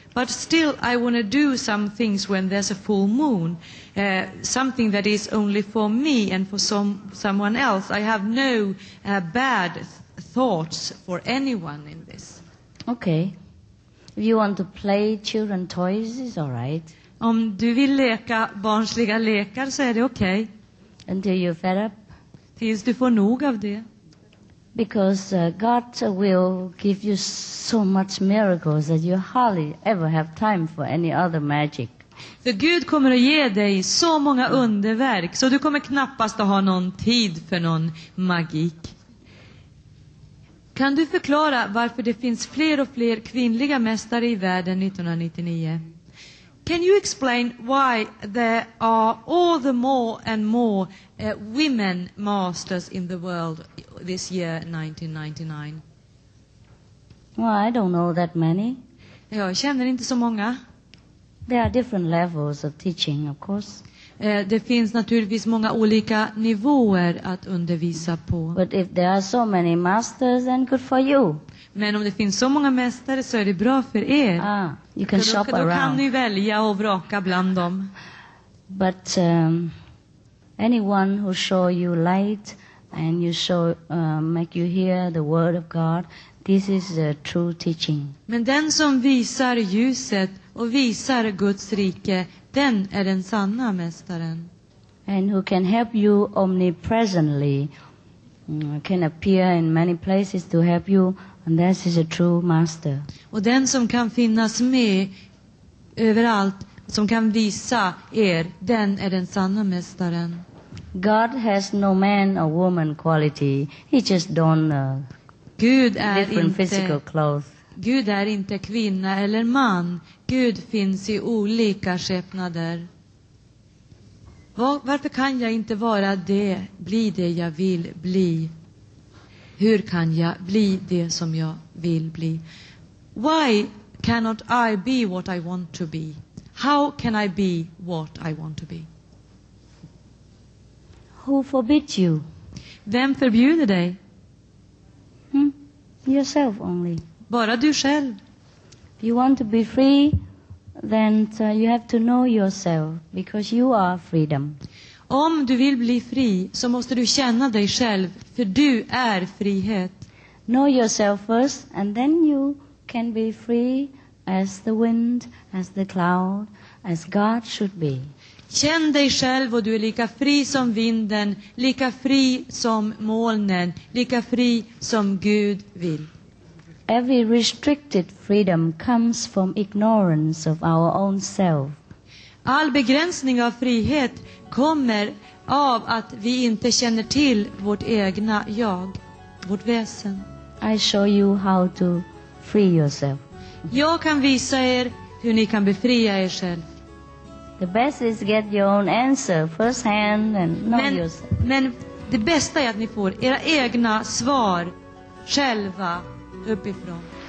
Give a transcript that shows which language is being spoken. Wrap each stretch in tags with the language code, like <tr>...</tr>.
<en>But still, I want to do some things when there's a full moon, something that is only for me and for someone else. I have no bad thoughts for anyone in this. Okay. If you want to play children toys, it's all right.</en> <sv>Om du vill leka barnsliga lekar så är det okay.</sv> <en>Until you're fed up.</en> <sv>Tills du får nog av det.</sv> <en>Because God will give you so much miracles that you hardly ever have time for any other magic.</en> <sv>För Gud kommer att ge dig så många underverk, så du kommer knappast att ha någon tid för någon magik. Kan du förklara varför det finns fler och fler kvinnliga mästare i världen 1999?</sv> <en>Can you explain why there are all the more and more women masters in the world this year, 1999? Well, I don't know that many.</en> <sv>Jag känner inte så många.</sv> <en>There are different levels of teaching, of course.</en> <sv>Det finns naturligtvis många olika nivåer att undervisa på.</sv> <en>But if there are so many masters, then good for you.</en> <sv>Men om det finns så många mästare så är det bra för er.</sv> <en>Ah, you can shop</en> <sv>då</sv> <en>around.</en> <sv>Då kan ni välja och vraka bland dem.</sv> <en>But anyone who show you light and you show make you hear the word of God, this is a true teaching.</en> <sv>Men den som visar ljuset och visar Guds rike, den är den sanna mästaren.</sv> <en>And who can help you omnipresently, can appear in many places to help you. And that is a true master.</en> <sv>Och den som kan finnas med överallt, som kan visa er, den är den sanna mästaren.</sv> <en>God has no man or woman quality. He just don't</en> <sv>Gud är</sv> <en>different</en> <sv>inte</sv> <en>physical clothes.</en> <sv>Gud är inte kvinna eller man. Gud finns i olika skepnader. Varför kan jag inte vara det, bli det jag vill bli? Hur kan jag bli det som jag vill bli?</sv> <en>Why cannot I be what I want to be? How can I be what I want to be? Who forbids you?</en> <sv>Vem förbjuder dig?</sv> <en>Yourself only.</en> <sv>Bara du själv.</sv> <en>If you want to be free, then you have to know yourself, because you are freedom.</en> <sv>Om du vill bli fri, så måste du känna dig själv, för du är frihet.</sv> <en>Know yourself first, and then you can be free as the wind, as the cloud, as God should be.</en> <sv>Känn dig själv och du är lika fri som vinden, lika fri som molnen, lika fri som Gud vill.</sv> <en>Every restricted freedom comes from ignorance of our own self.</en> <sv>All begränsning av frihet kommer av att vi inte känner till vårt egna jag, vårt väsen.</sv> <en>I show you how to free yourself.</en> <sv>Jag kan visa er hur ni kan befria er själv.</sv> <en>The best is get your own answer first hand and know yourself.</en> <sv>Men det bästa är att ni får era egna svar själva uppifrån.</sv>